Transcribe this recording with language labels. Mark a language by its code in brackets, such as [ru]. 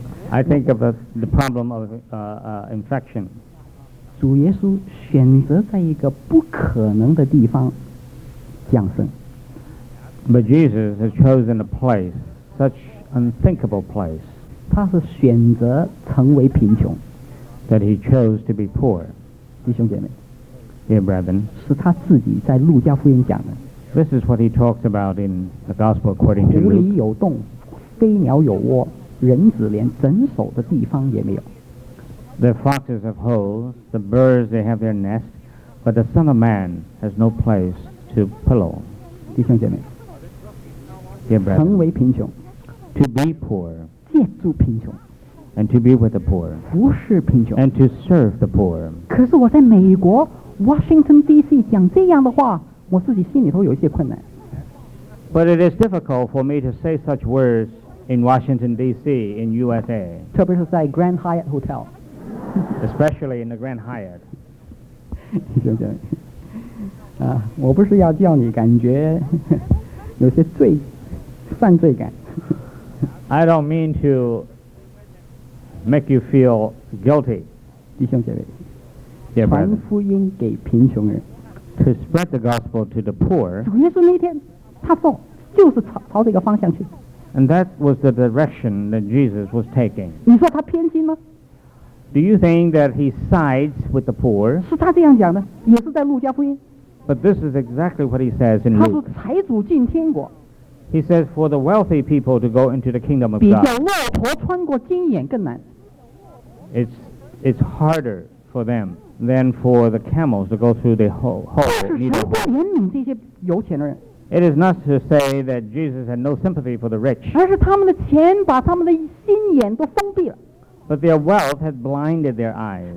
[en] I think of the problem of infection. [zh] 主耶稣选择在一个不可能的地方降生。 [en] But Jesus has chosen a place, such unthinkable place. [zh] 他是选择成为贫穷。 [en] That he chose to be poor. [zh] 弟兄姐妹。 [en] Dear brethren. [zh] 是他自己在路加福音讲的。 [en] This is what he talks about in the gospel according to Luke. [zh] 狐狸有洞，飞鸟有窝，人子连枕首的地方也没有。 [en] The foxes have holes, the birds they have their nest, but the son of man has no place to pillow. [zh] 弟兄姐妹。 [en] Dear brethren. [zh] 成为贫穷。 [en] To be poor. [zh] 借助贫穷 [en] and to be with the poor [zh] 服侍贫穷 [en] and to serve the poor [zh] 可是我在美国 Washington DC 讲这样的话我自己心里头有一些困难 [en] but it is difficult for me to say such words in Washington DC in USA [zh] 特别是在 Grand Hyatt Hotel [en] especially in the Grand Hyatt [zh] 兄弟们我不是要叫你感觉有些罪犯罪感 [en] I don't mean to make you feel guilty. [zh] 弟兄姐妹 [en] Dear brother, [zh] 传福音给贫穷人 [en] To spread the gospel to the poor. [zh] 主耶稣那天他说就是 朝这个方向去 [en] And that was the direction that Jesus was taking. [zh] 你说他偏心吗 [en] Do you think that he sides with the poor? [zh] 是他这样讲的也是在路加福音 [en] But this is exactly what he says in Luke. [zh] 他说财主进天国 [en] He says for the wealthy people to go into the kingdom of God. [zh] 比较骆驼穿过金眼更难。 [en] It's harder for them than for the camels to go through the hole. [zh] 但是神不怜悯这些有钱的人。 [en] It is not to say that Jesus had no sympathy for the rich. [zh] 而是他们的钱把他们的心眼都封闭了。 [en] But their wealth had blinded their eyes.